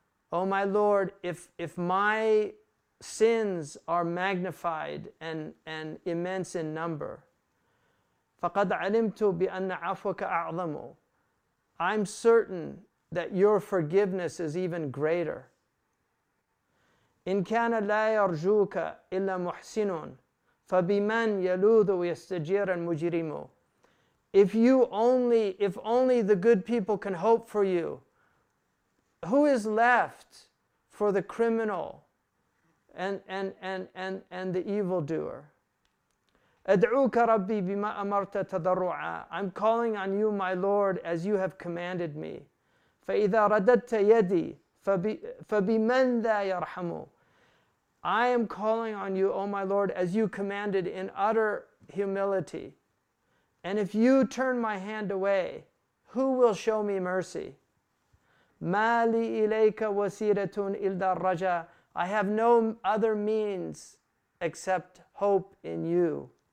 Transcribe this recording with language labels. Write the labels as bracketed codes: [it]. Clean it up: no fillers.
[en] Oh my Lord, if my sins are magnified and immense in number, [ar] faqad alimtu bi anna afwaka a'zamu. [en] I'm certain that your forgiveness is even greater. [ar] إن كان لا يرجوك إلا محسنون فبمن يلوذ ويستجير المجرم. [en] If only the good people can hope for you, who is left for the criminal and the evildoer? [ar] أدعوك ربي بما أمرت تضرعا. [en] I'm calling on you, my Lord, as you have commanded me. [ar] فإذا رددت يدي فبمن ذا يرحم. [en] I am calling on you, O my Lord, as you commanded in utter humility. And if you turn my hand away, who will show me mercy? [ar] مَا لِي إِلَيْكَ وَسِيرَةٌ إِلَّا الرَّجَى. [en] I have no other means except hope in you.